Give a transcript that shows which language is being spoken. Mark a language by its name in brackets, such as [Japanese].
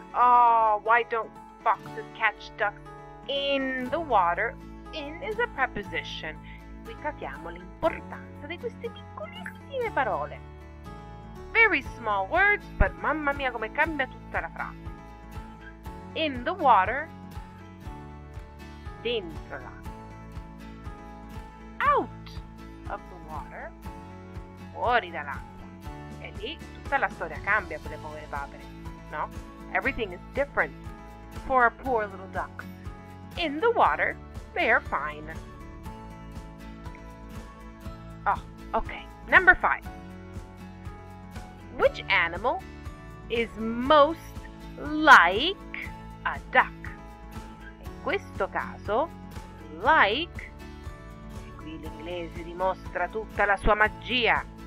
[English] Oh, why don't foxes catch ducks in the water? In is a preposition. [Italian] Qui capiamo l'importanza di queste piccolissime parole. [English] Very small words, but mamma mia come cambia tutta la frase. In the water, [Italian] dentro l'acqua. [English] Out of the water, [Italian] fuori dall'acqua. E lì tutta la storia cambia per le povere papere, no? [English] Everything is different for our poor little ducks. In the water, they are fine. Oh, okay. Number 5. Which animal is most like a duck? [Italian] In questo caso, like, e qui l'inglese dimostra tutta la sua magia.